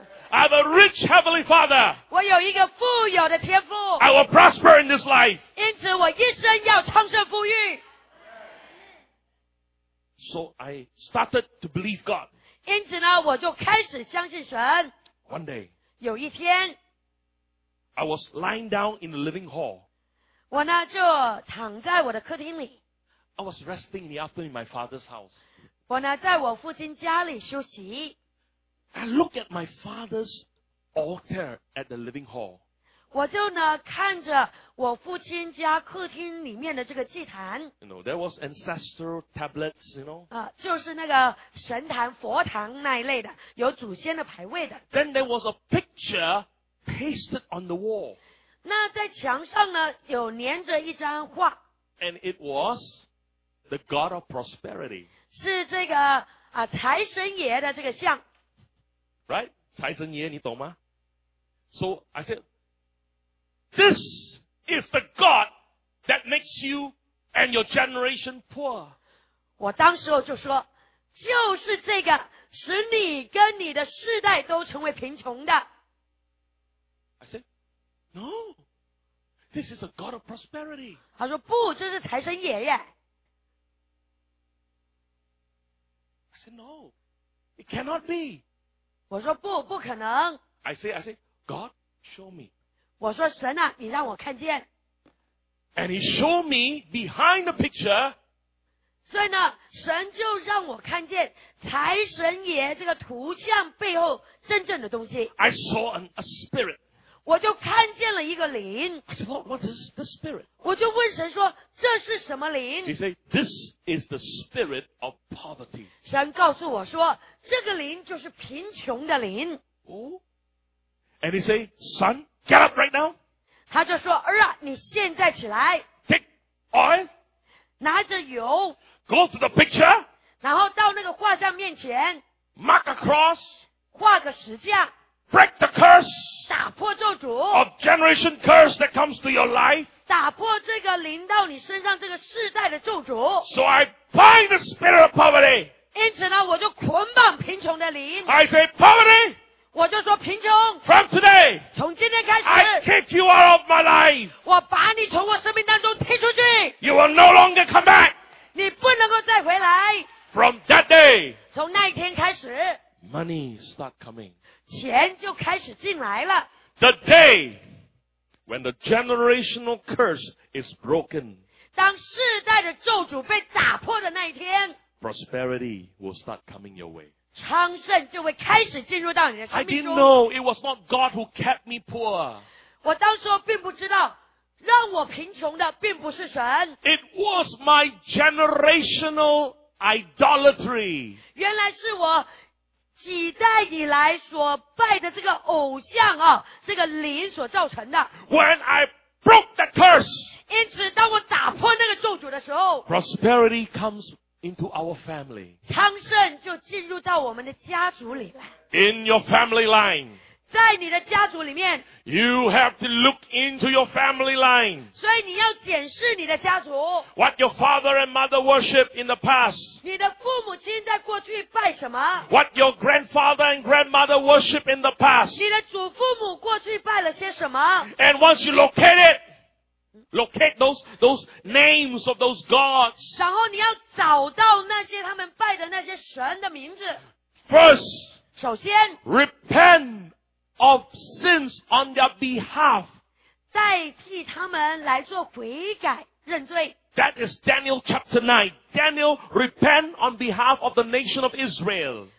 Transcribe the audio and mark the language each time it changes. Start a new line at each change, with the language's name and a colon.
English: I have a rich heavenly father,
Chinese: 我有一个富有的天父
English: I will prosper in this life,
Chinese: 因此我一生要昌盛富裕
English: So I started to believe God.
Chinese: 因此呢，我就开始相信神。
English: One day,
Chinese: 有一天
English: I was lying down in the living hall.
Chinese: 我呢就躺在我的客厅里。
English: I was resting in the afternoon in my father's house.
Chinese: 我呢在我父亲家里休息。
English: I looked at my father's altar at the living hall.
Chinese: 我就呢看着我父亲家客厅里面的这个祭坛
English: you know, there was ancestral tablets, you know?
Chinese: 就是那个神坛佛堂那一类的有祖先的牌位的
English: Then there was a picture pasted on the wall
Chinese: 那在墙上呢有粘着一张画
English: And it was the God of prosperity
Chinese: 是这个、财神爷的这个像
English: Right?
Chinese: 财神爷你懂吗
English: So I said This is the God that makes you and your generation poor.
Chinese: 我当时就说，就是这个使你跟你的世代都成为贫穷的。
English: I said, no. This is the God of prosperity.
Chinese: 他说不，这是财神爷爷。
English: said, no, it cannot be.
Chinese: 我说, 不, 不可能。
English: I say, God, show me.
Chinese: 我说, 神啊, 你让我看见。
English: And he showed me behind the picture.
Chinese: 所以呢, 神就让我看见, 财神爷这个图像背后, 真正的东西。
English: I saw a spirit.
Chinese: 我就看见了一个灵。
English: I said, Lord, what is the spirit?
Chinese: 我就问神说, 这是什么灵?
English: He said, this is the spirit of poverty.
Chinese: 神告诉我说, 这个灵就是贫穷的灵。
English: Oh? And he said, son, get up right now.
Chinese: 他就说, 儿啊, 你现在起来。
English: Take oil.
Chinese: 拿着油。
English: Go to the picture.
Chinese: 然后到那个画像面前。
English: Mark a cross.
Chinese: 画个十字架。
English: Break the curse.
Chinese: 打破咒诅,
English: of generation curse that comes to your life.
Chinese: 打破这个临到你身上这个世代的咒诅。
English: So I bind the spirit of poverty.
Chinese: 因此呢, 我就捆绑贫穷的灵。
English: I say poverty.
Chinese: 我就说贫穷,
English: from today.
Chinese: 从今天开始,
English: I kick you out of my life.
Chinese: 我把你从我生命当中踢出去。
English: You will no longer come back.
Chinese: 你不能够再回来。
English: From that day.
Chinese: 从那一天开始,
English: money start coming.
Chinese: 钱就开始进来了。
English: The day when the generational curse is broken,
Chinese: 当世代的咒诅被打破的那一天,
English: prosperity will start coming your way.
Chinese: 昌盛就会开始进入到你的生命中。
English: I didn't know it was not God who kept me poor.
Chinese: 我当时并不知道, 让我贫穷的并不是神。
English: It was my generational idolatry.
Chinese: 原来是我 几代以来所拜的这个偶像啊, 这个灵所造成的。
English: When I broke the curse,
Chinese: 因此当我打破那个咒诅的时候,
English: prosperity comes into our family.
Chinese: 昌盛就进入到我们的家族里来。
English: In your family line,
Chinese: 在你的家族里面,
English: you have to look into your family line.
Chinese: 所以你要检视你的家族,
English: what your father and mother worshipped in the past.
Chinese: 你的父母亲在过去拜什么,
English: what your grandfather and grandmother worshipped in the past.
Chinese: 你的祖父母过去拜了些什么,
English: and once you locate it, locate those names of those gods.
Chinese: 然后你要找到那些他们拜的那些神的名字。
English: First,
Chinese: 首先,
English: repent of sins on their behalf.
Chinese: 代替他们来做悔改认罪。
English: That is Daniel chapter 9. Daniel repent on behalf of the nation of Israel.